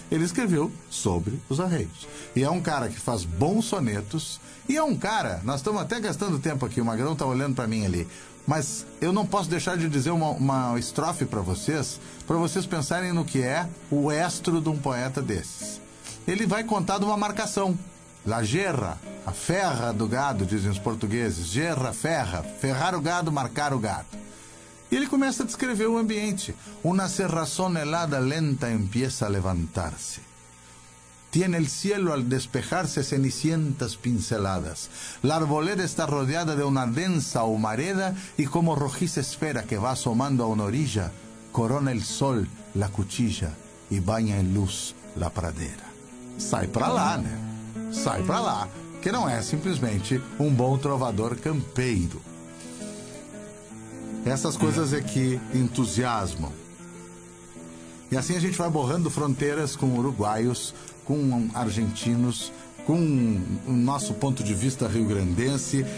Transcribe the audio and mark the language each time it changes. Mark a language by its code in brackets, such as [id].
[pt] Ele escreveu sobre os arreios. E é um cara que faz bons sonetos, e é um cara, nós estamos até gastando tempo aqui, o Magrão está olhando para mim ali, mas eu não posso deixar de dizer uma estrofe para vocês pensarem no que é o estro de um poeta desses. Ele vai contar de uma marcação. [es] La gerra, [pt] a ferra do gado, dizem os portugueses. Gerra, ferra, ferrar o gado, marcar o gado. E ele começa a descrever o ambiente. [es] Una cerrazón helada lenta empieza a levantarse. Tiene el cielo al despejarse cenicientas pinceladas. La arboleda está rodeada de una densa humareda y como rojiza esfera que va asomando a una orilla, corona el sol la cuchilla y baña en luz la pradera. [pt] Sai pra lá, né? Sai pra lá, que não é simplesmente um bom trovador campeiro. Essas coisas é que entusiasmam. E assim a gente vai borrando fronteiras com uruguaios, com argentinos, com o nosso ponto de vista rio-grandense.